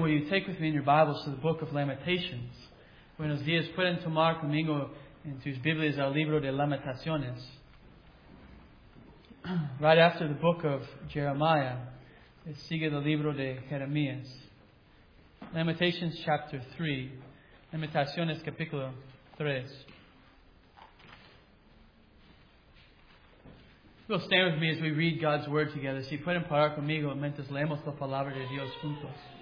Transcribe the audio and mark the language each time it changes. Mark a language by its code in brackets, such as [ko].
[en] Will you take with me in your Bibles to the book of Lamentations? [es] Buenos días. Pueden tomar conmigo en sus Biblias al libro de Lamentaciones. [en] Right after the book of Jeremiah, it [es] sigue el libro de Jeremías. [en] Lamentations chapter 3. [es] Lamentaciones capítulo 3. [en] Will stand with me as we read God's Word together. [es] Si pueden parar conmigo mientras leemos la palabra de Dios juntos.